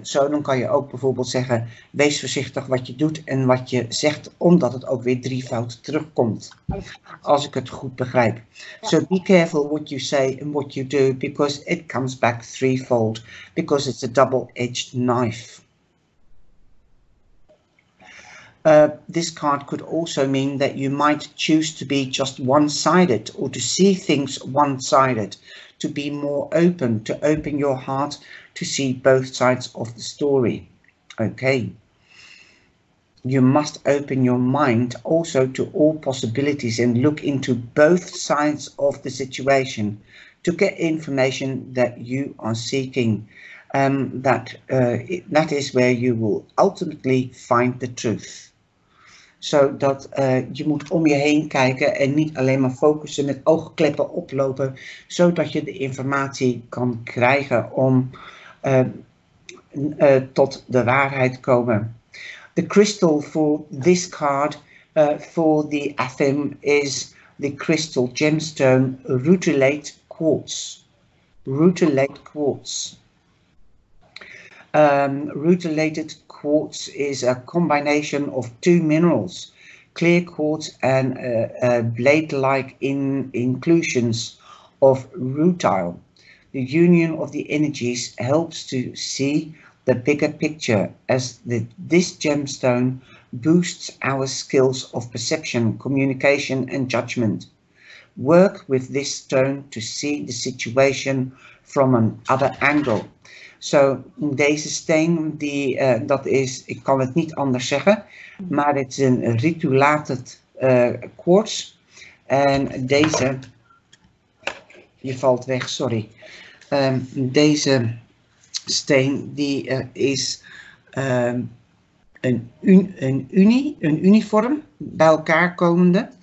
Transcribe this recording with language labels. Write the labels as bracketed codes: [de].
[nl] Zo dan kan je ook bijvoorbeeld zeggen, wees voorzichtig wat je doet en wat je zegt, omdat het ook weer drievoud terugkomt. Als ik het goed begrijp. Ja. [en] So be careful what you say and what you do, because it comes back threefold, because it's a double-edged knife. This card could also mean that you might choose to be just one-sided or to see things one-sided, to be more open, to open your heart to see both sides of the story. Okay. You must open your mind also to all possibilities and look into both sides of the situation to get information that you are seeking. That is where you will ultimately find the truth. [nl] Zodat je moet om je heen kijken en niet alleen maar focussen met oogkleppen oplopen. Zodat je de informatie kan krijgen om tot de waarheid komen. [en] The crystal for this card, for the Athem, is the crystal gemstone rutilate quartz. Rutilate quartz. Rutilated quartz is a combination of two minerals, clear quartz and blade-like inclusions of rutile. The union of the energies helps to see the bigger picture, as this gemstone boosts our skills of perception, communication and judgment. Work with this stone to see the situation from an other angle. [nl] Zo, deze steen, die, dat is, ik kan het niet anders zeggen, maar het is een rutilated quartz. En deze, je valt weg, sorry. Deze steen, die is een uniform, bij elkaar komende